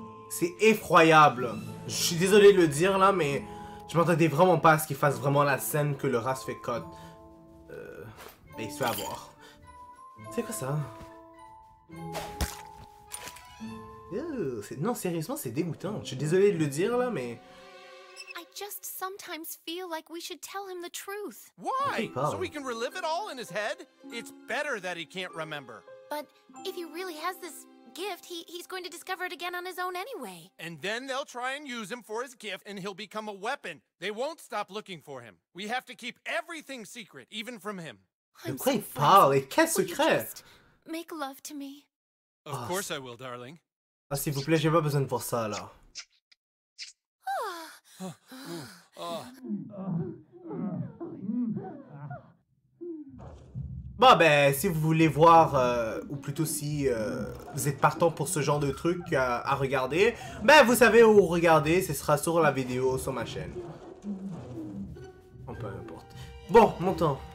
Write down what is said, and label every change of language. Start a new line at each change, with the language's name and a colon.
French: C'est effroyable. Je suis désolé de le dire là, mais je m'attendais vraiment pas à ce qu'il fasse vraiment la scène que le rat se fait cut. Mais il se fait avoir. C'est quoi ça? Non, sérieusement, c'est dégoûtant. Je suis désolé de le dire là, mais.
English: Just sometimes feel like we should tell him the truth. Why? So he can relive it all in his head? It's better that he can't remember. But if he really has this gift, he's going to discover it again on his own anyway. And then they'll try and use him for his gift and he'll become a weapon. They won't stop looking for him. We have to keep everything secret, even from him. I'm so Paul,
French: et quel secret?
English: Make love to me. Of course I will, darling.
French: Ah, s'il vous plaît, j'ai pas besoin pour ça là. Bon ben, si vous voulez voir, ou plutôt si vous êtes partant pour ce genre de truc à regarder, ben vous savez où regarder, ce sera sur la vidéo sur ma chaîne. Oh, peu importe. Bon, montons.